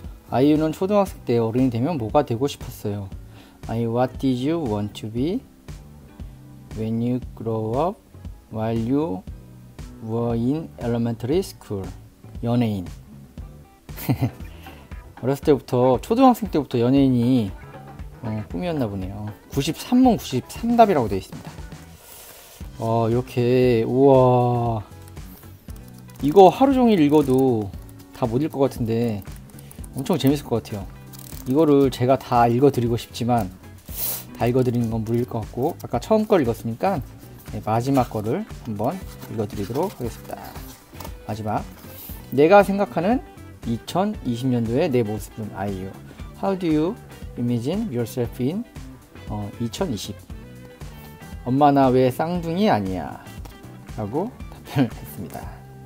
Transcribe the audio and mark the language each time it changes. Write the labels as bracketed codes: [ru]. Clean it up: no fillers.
[ko] 아이유는 초등학생 때 어른이 되면 뭐가 되고 싶었어요? [en] I what did you want to be when you grow up while you were in elementary school? [ko] 연예인. 어렸을 때부터, 초등학생 때부터 연예인이 꿈이었나 보네요. 93문 93답이라고 되어 있습니다. 이렇게, 우와. 이거 하루 종일 읽어도 다못 읽을 것 같은데 엄청 재밌을 것 같아요. 이거를 제가 다 읽어드리고 싶지만 다 읽어드리는 건 무리일 것 같고, 아까 처음 걸 읽었으니까 마지막 거를 한번 읽어드리도록 하겠습니다. 마지막. 내가 생각하는 2020년도의 내 모습은 아이유. [en] How do you imagine yourself in 2020? [ko] 엄마 나왜 쌍둥이 아니야? 라고 답변을 했습니다.